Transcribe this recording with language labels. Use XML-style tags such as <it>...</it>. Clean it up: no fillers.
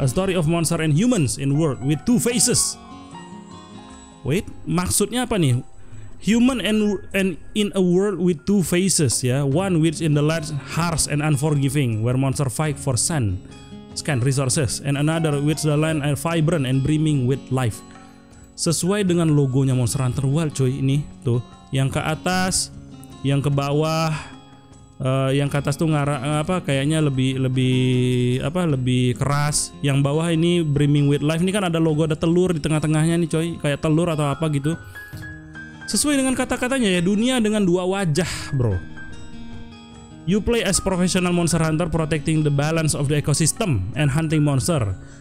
<en>A story of monster and humans in world with two faces. Wait,</en> <id>maksudnya apa nih?</id> <en>Human and in a world with two faces, ya. Yeah? One which in the light, harsh and unforgiving, where monster fight for scant resources, and another which the land are vibrant and brimming with life.</en> <id>Sesuai dengan logonya Monster Hunter World, cuy. Ini tuh yang ke atas. Yang ke bawah, yang ke atas tuh kayaknya lebih keras. Yang bawah ini</id> <en>brimming with life.</en> <id>Ini kan ada logo, ada telur di tengah-tengahnya nih coy, kayak telur atau apa gitu. Sesuai dengan kata-katanya ya, dunia dengan dua wajah, bro.</id> <en>You play as professional monster hunter protecting the balance of the ecosystem and hunting monster.</en>